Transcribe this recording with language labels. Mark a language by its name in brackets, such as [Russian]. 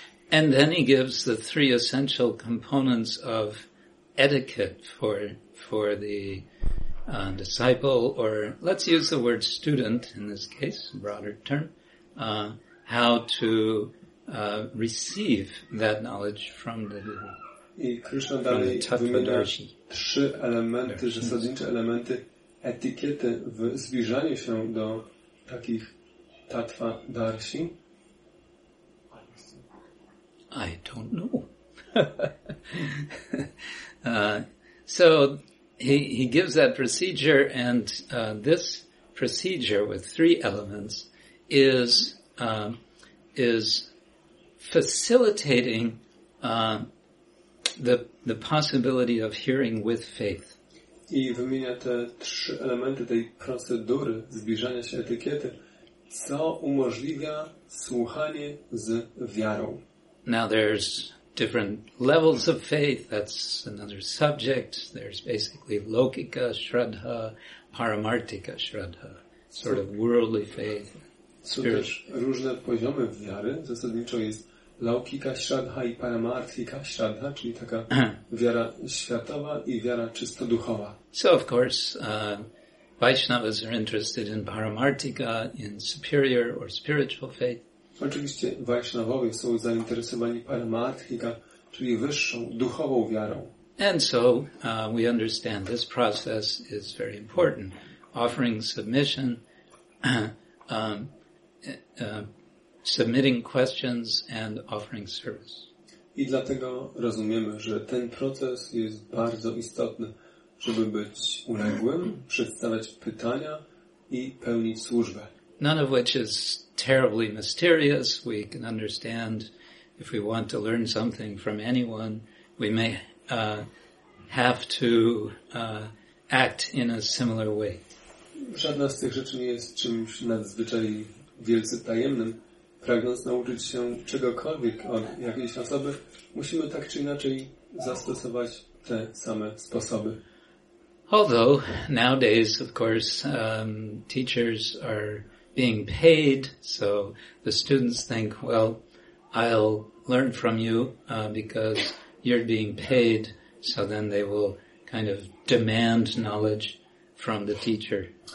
[English] And then he gives the three essential components of etiquette for the disciple, or let's use the word student in this case, broader term, how to receive that knowledge from the tatva darsi. [Polish] I Krishna dalej wymienia trzy elementy, zasadnicze elementy etykiety w zbliżaniu się do takich tatwa darsi. [English] I don't know. So he gives that procedure, and this procedure with three elements is facilitating the possibility of hearing with faith. [Polish] I wymienia te trzy elementy tej procedury zbliżania się etykiety, co umożliwia słuchanie z wiarą. [English] Now there's different levels of faith, that's another subject. There's basically Laukika Shraddha, Paramartika Shraddha, sort of worldly faith. [Polish] Są też różne poziomy wiary. Zasadniczo jest Laukika Shraddha i Paramartika Shraddha, czyli taka wiara światowa i wiara czysto duchowa. [English] So of course, Vaishnavas are interested in Paramartika, in superior or spiritual faith. [Polish] Oczywiście Vaishnavowie są zainteresowani paramarthika, czyli wyższą, duchową wiarą. [English] And so we understand this process is very important. Offering submission, submitting questions and offering service. [Polish] I dlatego rozumiemy, że ten proces jest bardzo istotny, żeby być uległym, przedstawiać pytania i pełnić służbę. [English] None of which is terribly mysterious. We can understand if we want to learn something from anyone, we may have to act in a similar way. [Polish] Żadna z tych rzeczy nie jest czymś nadzwyczaj wielce tajemnym. Pragnąc nauczyć się czegokolwiek od jakiejś osoby, musimy tak czy inaczej zastosować te same sposoby. [English] Although nowadays, of course, teachers are being paid, so the students think, well, I'll learn from you because you're being paid, so then they will kind of demand knowledge from the teacher.